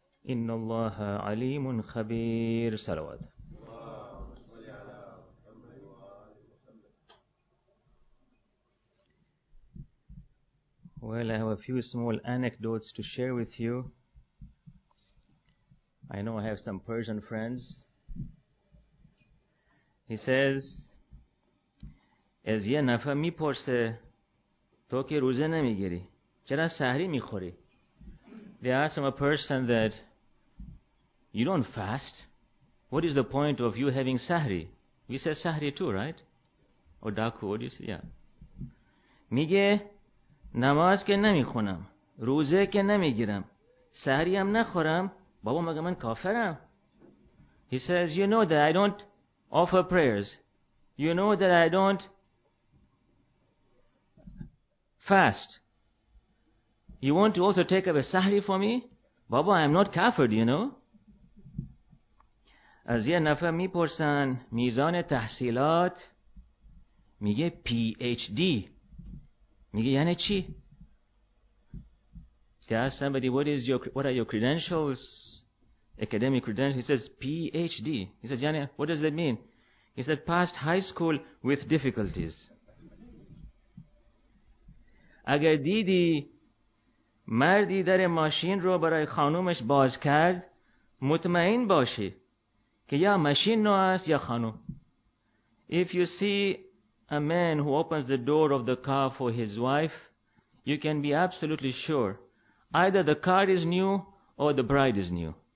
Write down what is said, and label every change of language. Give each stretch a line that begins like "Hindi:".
Arabic: إن الله عليم خبير صلوات
English: Well, I have a few small anecdotes to share with you. I know I have some Persian friends. He says,
Persian: از یه نفر میپرسه تو که روزه نمیگیری چرا سحری میخوری?
English: They ask from a person that you don't fast. What is the point of you having sahri? We say sahri too, right? Or daku, what do you say? Yeah.
Persian: میگه نماز که نمیخونم روزه که نمیگیرم سحری هم نخورم بابا مگه من کافرم?
English: He says, you know that I don't offer prayers. You know that I don't fast. You want to also take up a sahri for me? بابا, I'm not kafir, you know?
Persian: از یه نفر میپرسن میزان تحصیلات میگه PhD. میگه یعنی چی?
English: They ask somebody, what are your credentials? Academic credentials. He says, PhD. He says, yani, what does that mean? He said, passed high school with difficulties.
Persian: اگر دیدی مردی در ماشین رو برای خانومش باز کرد, مطمئن باشی که یا ماشین نو است یا خانوم.
English: If you see a man who opens the door of the car for his wife, you can be absolutely sure either the car is new or the bride is new.